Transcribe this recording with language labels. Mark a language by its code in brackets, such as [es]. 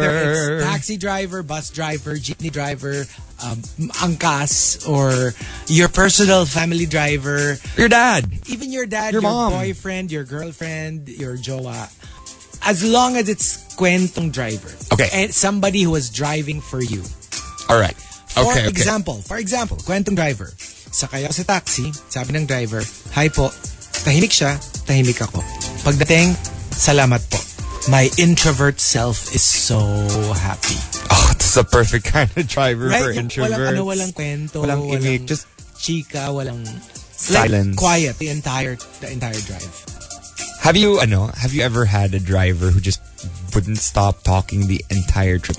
[en] Whether it's taxi driver, bus driver, jeepney driver, angkas, or your personal family driver. Your dad. Even your dad, your mom. Boyfriend, your girlfriend, your jowa. As long as it's Kuwentong Driver. Okay. And somebody who is driving for you. All right. For example, Kuwentong Driver. [tl] Sakay ako sa taxi, sabi ng driver, hi po, tahimik siya, tahimik ako. Pagdating, salamat po. [en] My introvert self is so happy. Oh, this is a perfect kind of driver, right? For introverts. [tl] Walang kwento, walang imig, just chika, walang [en] silence, like, quiet the entire drive. Have you ever had a driver who just wouldn't stop talking the entire trip?